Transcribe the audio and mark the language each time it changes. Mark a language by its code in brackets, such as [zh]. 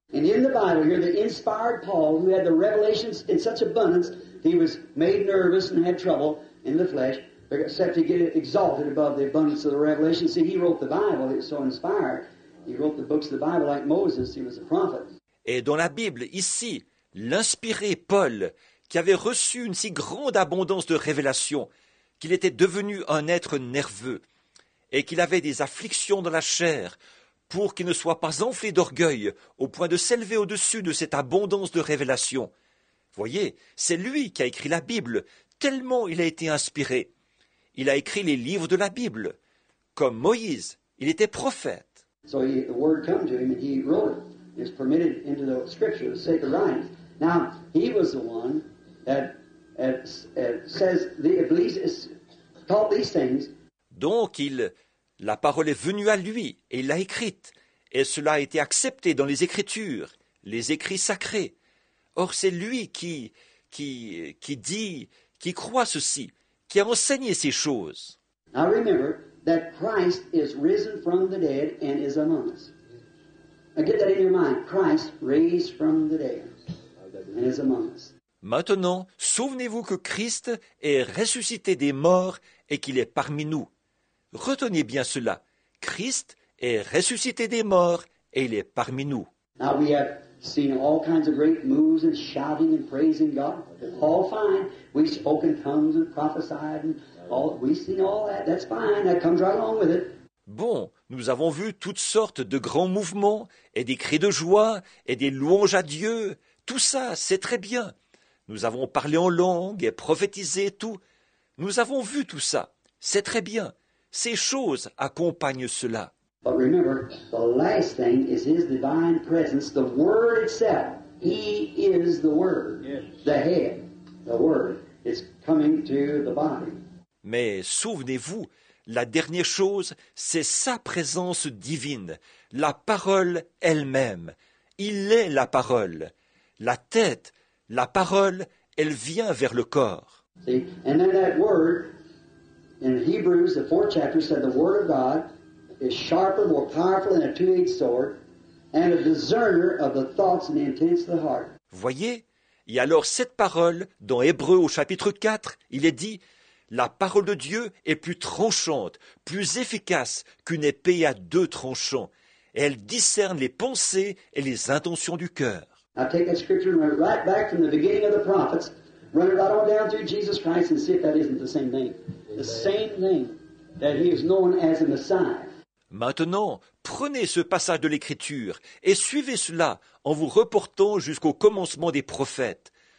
[en] And in the Bible, here the inspired Paul, who had the revelations in such abundance, he was made nervous and had trouble in the flesh, except to get it exalted above the abundance of the revelation. See, he wrote the Bible, it was so inspired. He wrote the books of the Bible like Moses, he was a prophet. [fr] Et dans la Bible, ici, l'inspiré Paul, qui avait reçu une si grande abondance de révélations, qu'il était devenu un être nerveux, et qu'il avait des afflictions dans la chair, pour qu'il ne soit pas enflé d'orgueil au point de s'élever au-dessus de cette abondance de révélations. Voyez, c'est lui qui a écrit la Bible, tellement il a été inspiré. Il a écrit les livres de la Bible. Comme Moïse, il était prophète. [en] So the word came to him and he wrote it. It's permitted into the scripture, the sacred writings. Now, he was the one that says the Iblis taught these things. [fr] Donc, la parole est venue à lui et il l'a écrite. Et cela a été accepté dans les Écritures, les écrits sacrés. Or, c'est lui qui dit, qui croit ceci, qui a enseigné ces choses. [en] Now remember that Christ is risen from the dead and is among us. Now get that in your mind. Christ raised from the dead and is among us. [fr] Maintenant, souvenez-vous que Christ est ressuscité des morts et qu'il est parmi nous. Retenez bien cela. Christ est ressuscité des morts et il est parmi nous. [en] Now we have seen all kinds of great moves and shouting and praising God. All fine. We spoke in tongues and prophesied and all. We seen all that. That's fine. That comes right along with it. [fr] Bon, nous avons vu toutes sortes de grands mouvements et des cris de joie et des louanges à Dieu. Tout ça, c'est très bien. Nous avons parlé en langue et prophétisé tout. Nous avons vu tout ça. C'est très bien. Ces choses accompagnent cela. [en] But remember, the last thing is His divine presence, the Word itself. He is the Word, yes. The head, the Word is coming to the body. [fr] Mais souvenez-vous, la dernière chose, c'est sa présence divine, la parole elle-même. Il est la parole. La tête, la parole, elle vient vers le corps. [en] See? And then that Word, in Hebrews, the fourth chapter, said the Word of God is sharper, more powerful than a two-edged sword, and a discerner of the thoughts and the intents of the heart. [fr] Voyez, et alors cette parole, dans Hébreux au chapitre 4, il est dit, la parole de Dieu est plus tranchante, plus efficace qu'une épée à deux tranchants. Elle discerne les pensées et les intentions du cœur. [en] I take that scripture and run it right back from the beginning of the prophets, run it right on down through Jesus Christ and see if that isn't the same thing. The same thing that he is known as the Messiah. [fr] Maintenant, prenez ce passage de l'Écriture et suivez cela en vous reportant jusqu'au commencement des prophètes.